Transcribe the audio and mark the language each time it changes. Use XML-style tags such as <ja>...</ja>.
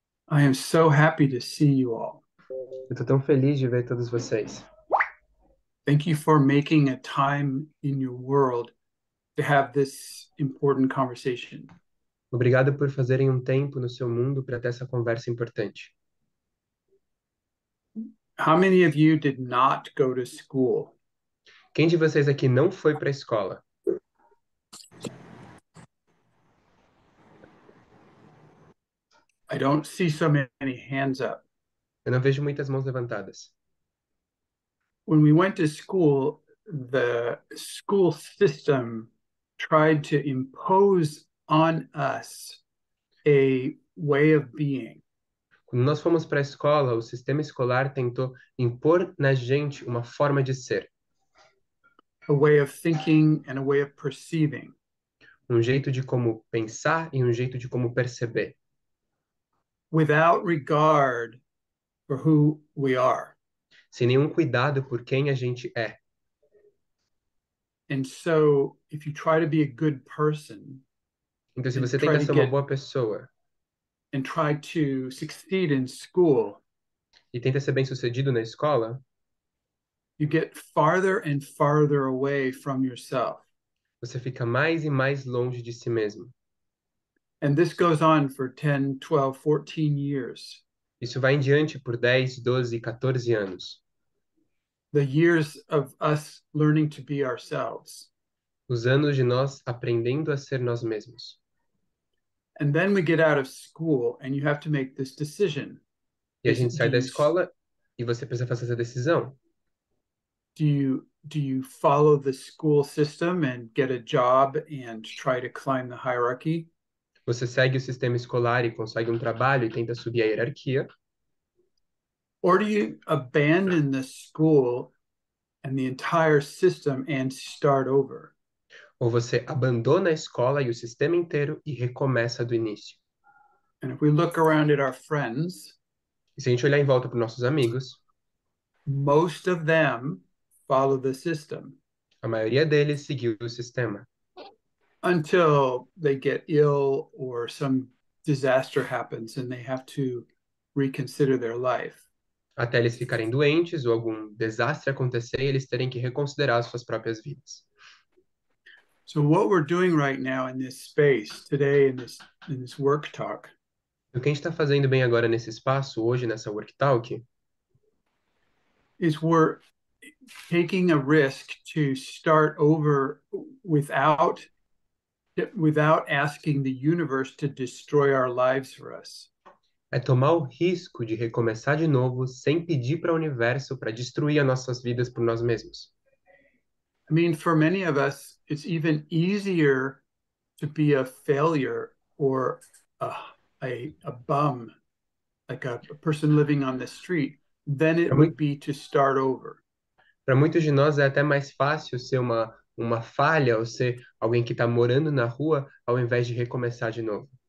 <en>I am so happy to see you all.</en> <pt>Eu tô tão feliz de ver todos vocês.</pt> <en>Thank you for making a time in your world to have this important conversation.</en> <pt>Obrigado por fazerem um tempo no seu mundo para ter essa conversa importante.</pt> <en>How many of you did not go to school?</en> <pt>Quem de vocês aqui não foi para a escola?</pt> <en>I don't see so many hands up.</en> <pt>Eu não vejo muitas mãos levantadas.</pt> <en>When we went to school, the school system tried to impose on us a way of being.</en> <pt>Quando nós fomos para a escola, o sistema escolar tentou impor na gente uma forma de ser.</pt> <en>A way of thinking and a way of perceiving.</en> <pt>Um jeito de como pensar e um jeito de como perceber.</pt> <en>Without regard for who we are.</en> <pt>Sem nenhum cuidado por quem a gente é.</pt> <en>And so, if you try to be a good person</en> <pt>Então, se você tenta ser uma boa pessoa</pt> <en>and try to succeed in school,</en> <pt>e tenta ser bem-sucedido na escola,</pt> <en>you get farther and farther away from yourself.</en> <pt>você fica mais e mais longe de si mesmo.</pt> <en>And this goes on for 10, 12, 14 years.</en> <pt>Isso vai em diante por 10, 12, 14 anos.</pt> <en>The years of us learning to be ourselves.</en> <pt>Os anos de nós aprendendo a ser nós mesmos.</pt> <en>And then we get out of school and you have to make this decision.</en> <pt>E a</pt> <en>Is</en> <pt>gente</pt> <en>do</en> <pt>sai da</pt> <en>you</en> <pt>escola e você precisa fazer essa decisão.</pt> <en>do you follow the school system and get a job and try to climb the hierarchy?</en> <pt>Você segue o sistema escolar e consegue um trabalho e tenta subir a hierarquia.</pt> <en>Or do you abandon the school and the entire system and start over?</en> <pt>Ou você abandona a escola e o sistema inteiro e recomeça do início.</pt> <en>And if we look around at our friends,</en> <pt>E se a gente olhar em volta para nossos amigos,</pt> <en>most of them follow the system</en> <pt>a maioria deles seguiu o sistema.</pt> <en>until they get ill or some disaster happens and they have to reconsider their life.</en> <pt>Até eles ficarem doentes ou algum desastre acontecer, eles terem que reconsiderar as suas próprias vidas.</pt> <en>So what we're doing right now in this space today in this work talk</en> <pt>O que a gente está fazendo bem agora nesse espaço, hoje, nessa work talk?</pt> <en>is we're taking a risk to start over without asking the universe to destroy our lives for us.</en> <pt>É tomar o risco de recomeçar de novo sem pedir para o universo para destruir as nossas vidas por nós mesmos.</pt> <en>I mean, for many of us, it's even easier to be a failure or a bum, like a person living on the street, than it would be to start over.</en> <pt>Para muitos de nós é até mais fácil ser uma falha ou ser alguém que está morando na rua ao invés de recomeçar de novo.</pt>